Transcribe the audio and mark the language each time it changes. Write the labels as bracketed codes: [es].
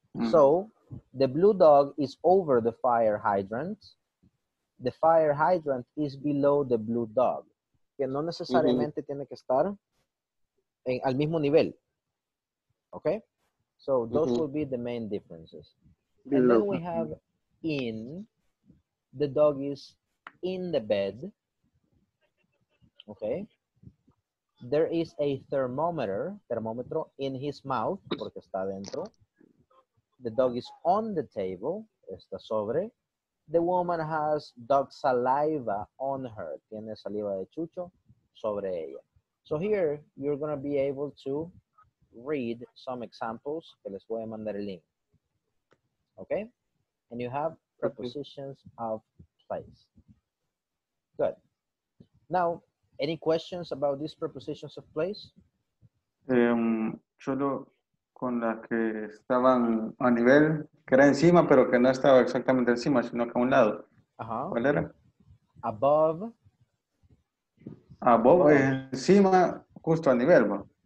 [en] So, the blue dog is over the fire hydrant. The fire hydrant is below the blue dog. [es] Que no necesariamente tiene que estar en, al mismo nivel. [en] ¿Ok? So, those will be the main differences. Below. And then we have in. The dog is in the bed. ¿Ok? There is a thermometer, termómetro, in his mouth, [es] porque está adentro. [en] The dog is on the table, [es] está sobre. [en] The woman has dog saliva on her. [es] Tiene saliva de chucho sobre ella. [en] So here, you're going to be able to read some examples [es] que les voy a mandar el link. [en] Okay? And you have prepositions of place. Good. Now, any questions about these prepositions of place? [es] Solo con las que estaban a nivel, que era encima, pero que no estaba exactamente encima, sino que a un lado. ¿Cuál era? [en] Above. [es] Above, above. Encima, justo a nivel, ¿no?